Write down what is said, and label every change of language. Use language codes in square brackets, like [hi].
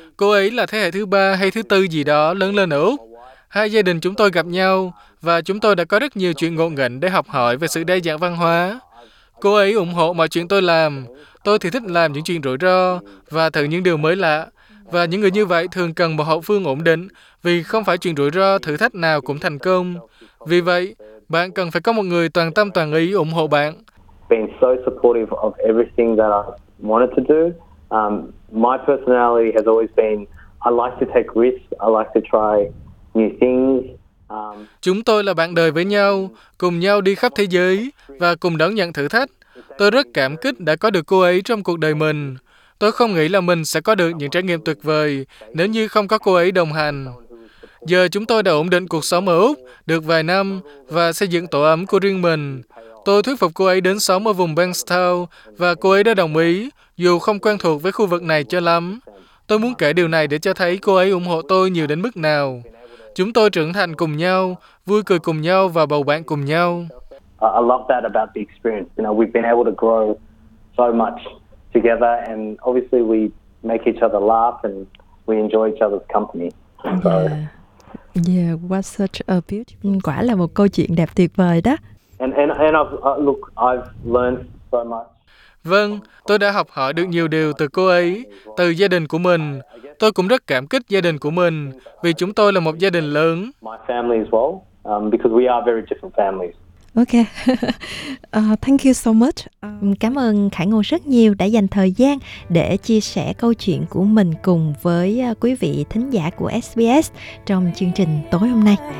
[vi] Cô ấy là thế hệ thứ ba hay thứ tư gì đó lớn lên ở Úc. Hai gia đình chúng tôi gặp nhau và chúng tôi đã có rất nhiều chuyện ngộ nghĩnh để học hỏi về sự đa dạng văn hóa. Cô ấy ủng hộ mọi chuyện tôi làm. Tôi thì thích làm những chuyện rủi ro và thử những điều mới lạ. Và những người như vậy thường cần một hậu phương ổn định vì không phải chuyện rủi ro thử thách nào cũng thành công. Vì vậy, Bạn cần phải có một người toàn tâm toàn ý ủng hộ bạn. [en] Being so supportive of everything that I wanted to do. My personality has always been, I like to take risks, I like to try new things. [vi] Chúng tôi là bạn đời với nhau, cùng nhau đi khắp thế giới và cùng đón nhận thử thách. Tôi rất cảm kích đã có được cô ấy trong cuộc đời mình. Tôi không nghĩ là mình sẽ có được những trải nghiệm tuyệt vời nếu như không có cô ấy đồng hành. Giờ chúng tôi đã ổn định cuộc sống ở Úc được vài năm và xây dựng tổ ấm của riêng mình. Tôi thuyết phục cô ấy đến sống ở vùng Bankstown và cô ấy đã đồng ý, dù không quen thuộc với khu vực này cho lắm. Tôi muốn kể điều này để cho thấy cô ấy ủng hộ tôi nhiều đến mức nào. Chúng tôi trưởng thành cùng nhau, vui cười cùng nhau và bầu bạn cùng nhau. [en] I love that about the experience. You know, we've been able to grow so much together and obviously we make each other laugh and we enjoy each other's company. Yeah, what such a beautiful. [vi] Quả là một câu chuyện đẹp tuyệt vời đó. [en] And I've learned so much. [vi] Vâng, tôi đã học hỏi được nhiều điều từ cô ấy, từ gia đình của mình. Tôi cũng rất cảm kích gia đình của mình vì chúng tôi là một gia đình lớn. [en] My family as well, because we are very different families. Okay. Thank you so much. [vi] Cảm ơn Khải Ngô rất nhiều đã dành thời gian để chia sẻ câu chuyện của mình cùng với quý vị thính giả của SBS trong chương trình tối hôm nay.